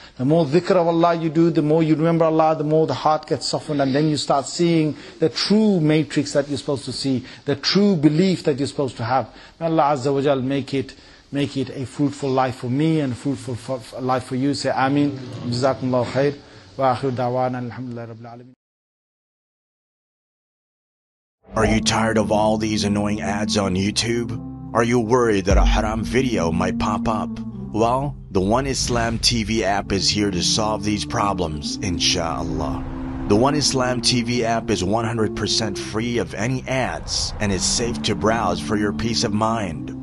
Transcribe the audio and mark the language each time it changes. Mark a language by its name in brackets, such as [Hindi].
[English] The more dhikr of Allah you do, the more you remember Allah, the more the heart gets softened, and then you start seeing the true matrix that you're supposed to see, the true belief that you're supposed to have. May Allah Azza wa Jal make it a fruitful life for me and a fruitful life for you. Say Ameen. Jazakumullahu khair. [Arabic] وآخر دعوانا الحمد لله رب العالمين. [English] Are you tired of all these annoying ads on YouTube? Are you worried that a haram video might pop up? Well, the One Islam TV app is here to solve these problems, inshallah. The One Islam TV app is 100% free of any ads and is safe to browse for your peace of mind.